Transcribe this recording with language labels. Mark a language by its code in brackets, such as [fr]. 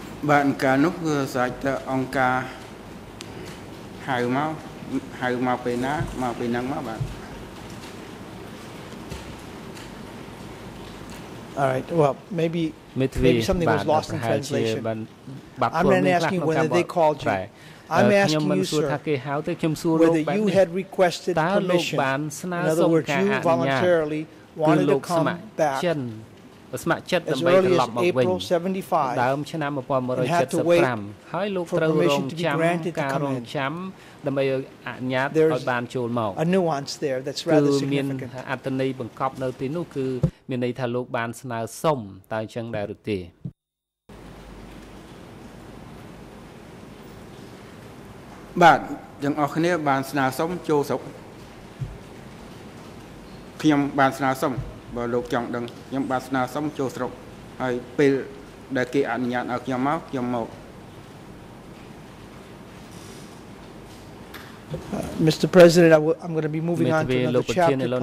[km] បានកាលនោះគឺសាច់ទៅអង្គការហៅមកពេលណាមកពេលហ្នឹងមកបាទ [en] All right well maybe something was lost in translation I'm not asking whether they called you I'm asking you sir whether you had requested permission in other words you voluntarily wanted to come back [km] ស្ម័គ្រចិត្តដើម្បីត្រឡប់មកវិញដើមឆ្នាំ1975ហើយលោកត្រូវរងចាំការរងចាំដើម្បីអនុញ្ញាតឲ្យបានចូលមក គឺមាន អត្តន័យបង្កប់នៅទីនោះគឺមានន័យថាលោកបានស្នើសុំតើអញ្ចឹងដែរឬទេ បាទយើងអស់គ្នាបានស្នើសុំចូលស្រុកខ្ញុំបានស្នើសុំបើលោកចង់ដឹងខ្ញុំបានស្នើសុំចូលស្រុកហើយពេលដែលគេអនុញ្ញាតឲ្យខ្ញុំមកខ្ញុំមក [en] Mr. President I'm going to be moving on to another chapter